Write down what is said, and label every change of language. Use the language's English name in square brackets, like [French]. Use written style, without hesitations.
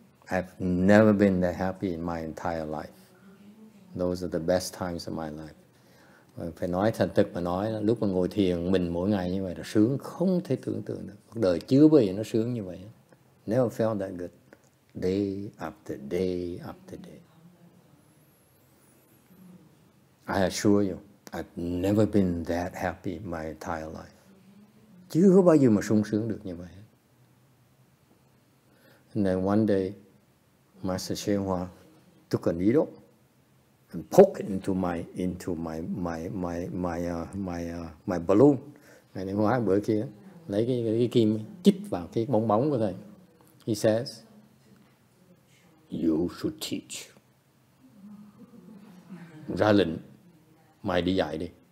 [English] I've never been that happy in my entire life. Those are the best times of my life. [Vietnamese] Phải nói thành thực mà nói, lúc mà ngồi thiền mình mỗi ngày như vậy là sướng không thể tưởng tượng được. Cuộc đời chưa bao giờ nó sướng như vậy. [English] Never felt that good. Day after day after day. I assure you, I've never been that happy my entire life. [Vietnamese] Chưa bao giờ mà sung sướng được như vậy. [English] And then one day, Master XuanHua took a needle and poked into my balloon. [Vietnamese] Ngày này hôm bữa kia lấy cái kim chích vào cái bong bóng của thầy. [English] He says, "You should teach." [Vietnamese] Ra lệnh, mày đi dạy đi.